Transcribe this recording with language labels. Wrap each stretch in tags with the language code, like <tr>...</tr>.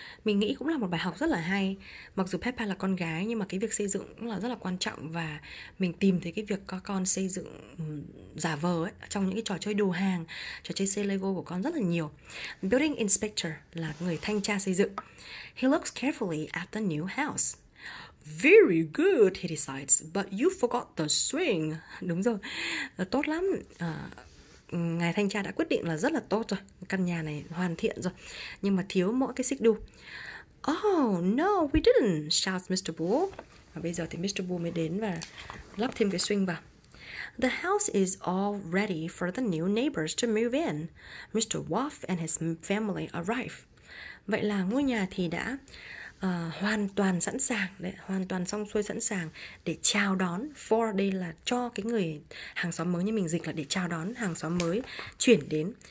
<vi>Mình nghĩ cũng là một bài học rất là hay. Mặc dù Peppa là con gái, nhưng mà cái việc xây dựng cũng là rất là quan trọng. Và mình tìm thấy cái việc có con xây dựng giả vờ ấy, trong những cái trò chơi đồ hàng, trò chơi xây Lego của con rất là nhiều. Building inspector là người thanh tra xây dựng.</vi> <en>He looks carefully at the new house. Very good, he decides, but you forgot the swing.</en> <vi>Đúng rồi, tốt lắm. Ngài thanh tra đã quyết định là rất là tốt rồi, căn nhà này hoàn thiện rồi, nhưng mà thiếu mỗi cái xích đu.</vi> <en>Oh no, we didn't, shouts Mr. Bull.</en> <vi>Và bây giờ thì Mr. Bull mới đến và lắp thêm cái swing vào.</vi> <en>The house is all ready for the new neighbors to move in. Mr. Wolf and his family arrive.</en> <vi>Vậy là ngôi nhà thì đã hoàn toàn sẵn sàng, đấy, hoàn toàn xong xuôi sẵn sàng để chào đón. For đây là cho cái người hàng xóm mới, như mình dịch là để chào đón hàng xóm mới chuyển đến.</vi>